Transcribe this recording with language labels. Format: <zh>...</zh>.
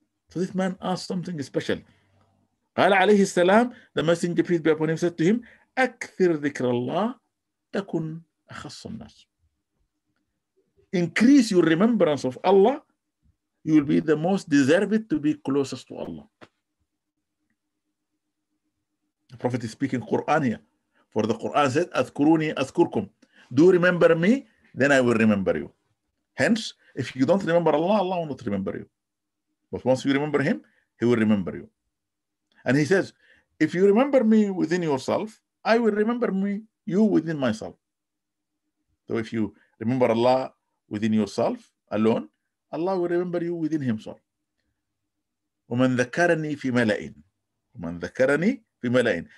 <en>So this man asked something special.</en> <ar>قال عليه السلام,</ar> <en>the messenger peace be upon him said to him,</en> <ar>أكثر ذكر الله تكون أخص الناس.</ar> <en>Increase your remembrance of Allah, you will be the most deserved to be closest to Allah. The Prophet is speaking Quran here. For the Quran said,</en> <ar>أذكروني أذكركم.</ar> <en>Do remember me, then I will remember you. Hence, if you don't remember Allah, Allah will not remember you. But once you remember Him, He will remember you. And He says, if you remember me within yourself, I will remember me you within myself. So if you remember Allah within yourself alone, Allah will remember you within Himself.</en> <ar>ومن ذكرني في ملأ ومن ذكرني في ملأ.</ar>